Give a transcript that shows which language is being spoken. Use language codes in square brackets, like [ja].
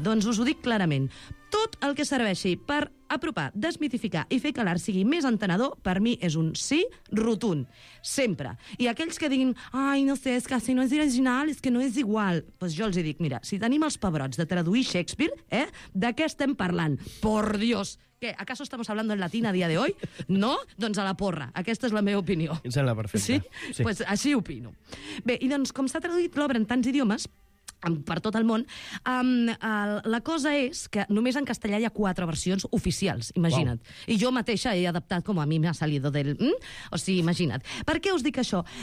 [ca] Doncs us ho dic clarament. Tot el que serveixi per apropar, desmitificar i fer que l'art sigui més entenedor, per mi és un sí rotund. Sempre. I aquells que diguin, ai, no sé, és que si no és original, és que no és igual. Doncs jo els dic, mira, si tenim els pebrots de traduir Shakespeare, de què estem parlant? [es] Por Dios! Què, acaso estamos hablando en latín a día de hoy? [ca] No? Doncs a la porra. Aquesta és la meva opinió. Em sembla perfecta. Sí? Doncs pues així opino. Bé, i doncs, com s'ha traduït l'obra en tants idiomes, per tot el món, la cosa és que només en castellà hi ha 4 versions oficials, imagina't. Wow. I jo mateixa he adaptat com [es] a mi m'ha salido del... [ca] O sigui, imagina't. Per què us dic això?